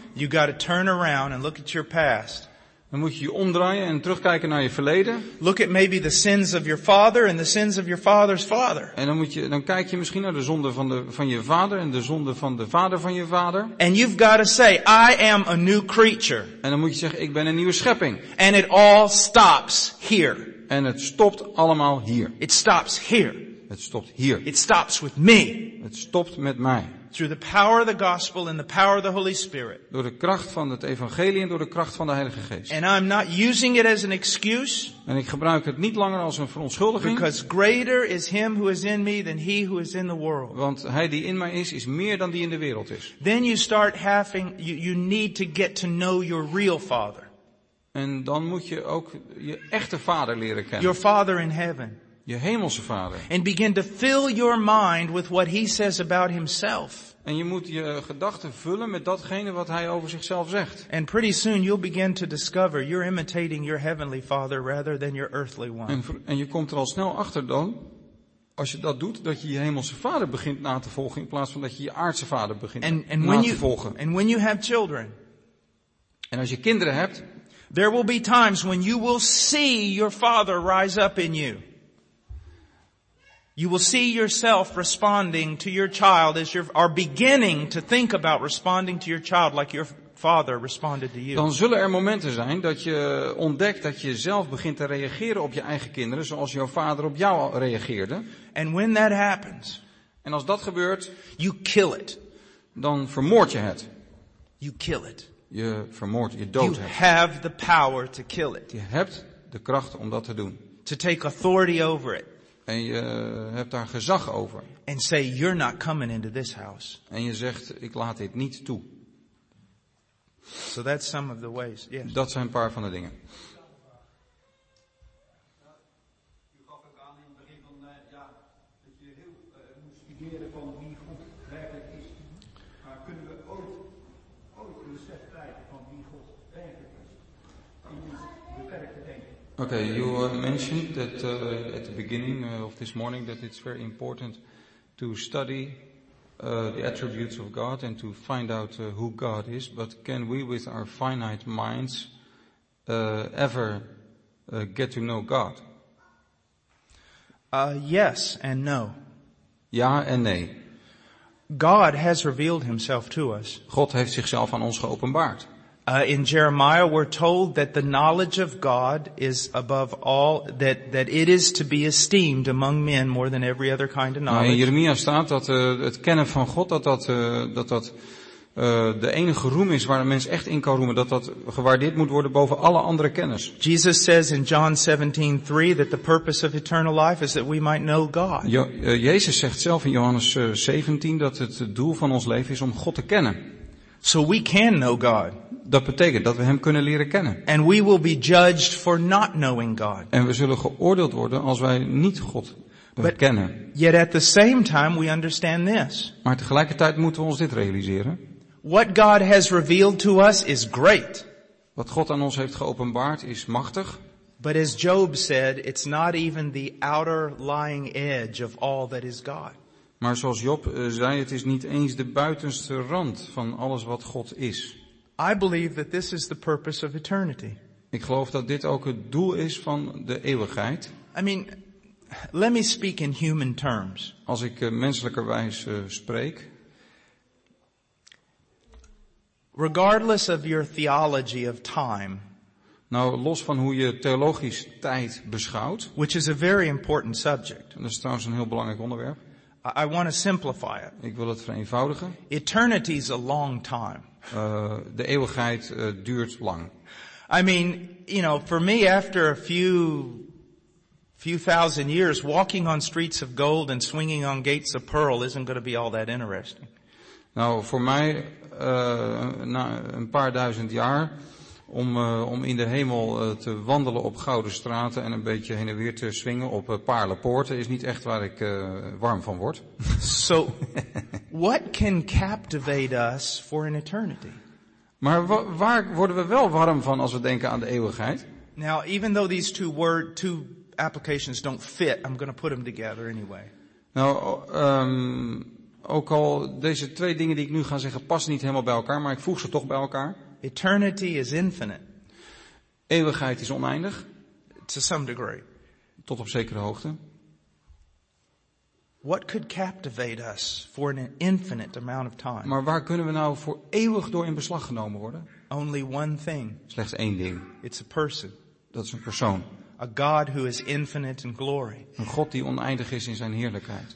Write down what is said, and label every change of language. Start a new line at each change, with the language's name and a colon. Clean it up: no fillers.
English: You gotta turn around and look at your past.
Dutch: Dan moet je je omdraaien en terugkijken naar je verleden.
English: Look at maybe the sins of your father and the sins of your father's father.
Dutch: En dan kijk je misschien naar de zonde van je vader en de zonde van de vader van je vader.
English: And you've gotta say, I am a new creature.
Dutch: En dan moet je zeggen, ik ben een nieuwe schepping.
English: And it all stops here.
Dutch: En het stopt allemaal hier.
English: It stops here.
Dutch: Het stopt hier.
English: It stops with me.
Dutch: Het stopt met mij.
English: through the power of the gospel and the power of the Holy Spirit.
Dutch: Door de kracht van het evangelie en door de kracht van de Heilige Geest.
English: And I'm not using it as an excuse.
Dutch: En ik gebruik het niet langer als een verontschuldiging.
English: Because greater is him who is in me than he who is in the world.
Dutch: Want hij die in mij is, is meer dan die in de wereld is.
English: Then you start having you need to get to know your real father.
Dutch: En dan moet je ook je echte vader leren kennen.
English: Your father in heaven.
Dutch: Je hemelse vader.
English: And begin to fill your mind with what he says about himself.
Dutch: En je moet je gedachten vullen met datgene wat hij over zichzelf zegt.
English: And pretty soon you'll begin to discover you're imitating your heavenly father rather than your earthly one.
Dutch: En je komt er al snel achter dan, als je dat doet, dat je je hemelse vader begint na te volgen in plaats van dat je je aardse vader begint na te volgen.
English: And when you have children.
Dutch: En als je kinderen hebt,
English: there will be times when you will see your father rise up in you. You will see yourself responding to your child as you are beginning to think about responding to your child like your father responded to you.
Dutch: Dan zullen er momenten zijn dat je ontdekt dat je zelf begint te reageren op je eigen kinderen zoals jouw vader op jou reageerde.
English: And when that happens,
Dutch: en als dat gebeurt,
English: you kill it.
Dutch: Dan vermoord je het.
English: You kill it.
Dutch: Je vermoord, je doodt het.
English: You have the power to kill it.
Dutch: Je hebt de kracht om dat te doen.
English: To take authority over it.
Dutch: En je hebt daar gezag over.
English: And say, you're not coming into this house.
Dutch: En je zegt, ik laat dit niet toe.
English: So that's some of the ways. Yes.
Dutch: Dat zijn een paar van de dingen. U gaf ook aan in het begin van, dat je heel moet studeren van wie God werkelijk is. Maar kunnen we ooit een besef krijgen van wie God werkelijk is? In ons beperkte denken.
English: Okay, you mentioned that at the beginning of this morning that it's very important to study the attributes of God and to find out who God is, but can we with our finite minds ever get to know God? Yes and no.
Dutch: Ja en nee.
English: God has revealed himself to us.
Dutch: God heeft zichzelf aan ons geopenbaard.
English: In Jeremiah we're told that the knowledge of God is above all, that it is to be esteemed among men more than every other kind of knowledge.
Dutch: Nou, in Jeremia staat dat het kennen van God, dat de enige roem is waar een mens echt in kan roemen, dat gewaardeerd moet worden boven alle andere kennis.
English: Jesus says in John 17:3 that the purpose of eternal life is that we might know God.
Dutch: Jezus zegt zelf in Johannes 17 dat het doel van ons leven is om God te kennen.
English: So we can know God.
Dutch: Dat betekent dat we hem kunnen leren kennen.
English: And we will be judged for not knowing God.
Dutch: En we zullen geoordeeld worden als wij niet God kennen.
English: Yet at the same time we understand this.
Dutch: Maar tegelijkertijd moeten we ons dit realiseren.
English: What God has revealed to us is great.
Dutch: Wat God aan ons heeft geopenbaard is machtig.
English: But as Job said, it's not even the outer lying edge of all that is God.
Dutch: Maar zoals Job zei, het is niet eens de buitenste rand van alles wat God is.
English: I believe that this is the purpose of eternity.
Dutch: Ik geloof dat dit ook het doel is van de eeuwigheid.
English: I mean, let me speak in human terms.
Dutch: Als ik menselijkerwijs spreek.
English: Regardless of your theology of time.
Dutch: Nou, los van hoe je theologisch tijd beschouwt.
English: Which is a very important subject.
Dutch: Dat is trouwens een heel belangrijk onderwerp.
English: I want to simplify it.
Dutch: Ik wil het vereenvoudigen.
English: Eternity is a long time.
Dutch: De eeuwigheid duurt lang.
English: I mean, you know, for me after a few thousand years walking on streets of gold and swinging on gates of pearl isn't going to be all that interesting.
Dutch: Nou, voor mij na een paar duizend jaar om in de hemel te wandelen op gouden straten en een beetje heen en weer te swingen op paarlenpoorten is niet echt waar ik warm van word.
English: So, what can captivate us for an eternity?
Dutch: Maar waar worden we wel warm van als we denken aan de eeuwigheid?
English: Now, even though these two applications don't fit, I'm going to put them together anyway.
Dutch: Nou, ook al deze twee dingen die ik nu ga zeggen passen niet helemaal bij elkaar, maar ik voeg ze toch bij elkaar.
English: Eternity is infinite.
Dutch: Eeuwigheid is oneindig.
English: To some degree.
Dutch: Tot op zekere hoogte.
English: What could captivate us for an infinite amount of time?
Dutch: Maar waar kunnen we nou voor eeuwig door in beslag genomen worden?
English: Only one thing.
Dutch: Slechts één ding.
English: It's a person.
Dutch: Dat is een persoon.
English: A God who is infinite in glory.
Dutch: Een God die oneindig is in zijn heerlijkheid.